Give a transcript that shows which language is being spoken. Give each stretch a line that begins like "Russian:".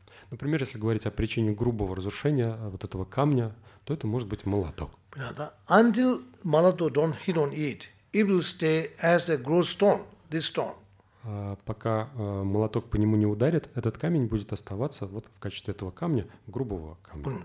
Russian: Например, если говорить о причине грубого разрушения вот этого камня, то это может быть молоток.
English: Until молоток don't hit on it, it will stay as a gross stone, this stone.
Russian: Пока молоток по нему не ударит, этот камень будет оставаться вот в качестве этого камня, грубого камня.